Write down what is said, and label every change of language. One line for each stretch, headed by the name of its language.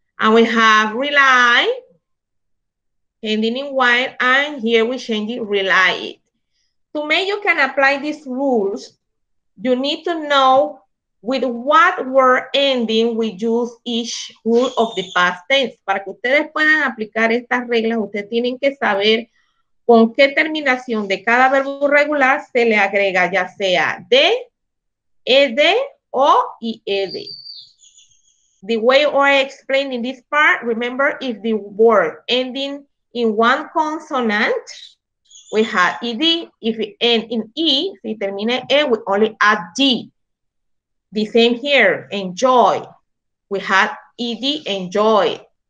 English: And we have rely, ending in while, and here we change it, rely it. To make you can apply these rules, you need to know with what word ending we use each rule of the past tense.
Spanish: Para que ustedes puedan aplicar estas reglas, ustedes tienen que saber con qué terminación de cada verbo regular se le agrega, ya sea D, ED, O, y ED.
English: The way I explained in this part, remember, if the word ending in one consonant, we have ED. If it ends in E,
Spanish: si termina E,
English: we only add D. The same here, enjoy. We had ED, enjoy.